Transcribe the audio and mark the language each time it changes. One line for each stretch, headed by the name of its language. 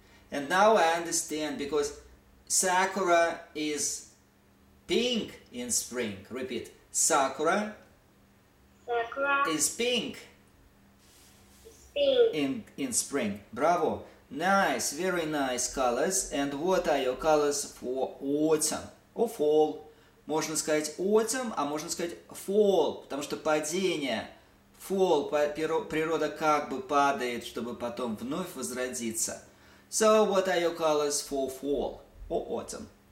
English: And now I understand because sakura is pink in spring. Repeat. Sakura. Sakura. Is pink. It's pink. In spring. Bravo. Nice. Very nice colors. And what are your colors for autumn or fall?
Russian: Можно сказать autumn, а можно сказать fall, потому что падение. Fall, природа как бы падает, чтобы потом вновь возродиться.
English: So, what are your colors for fall or autumn?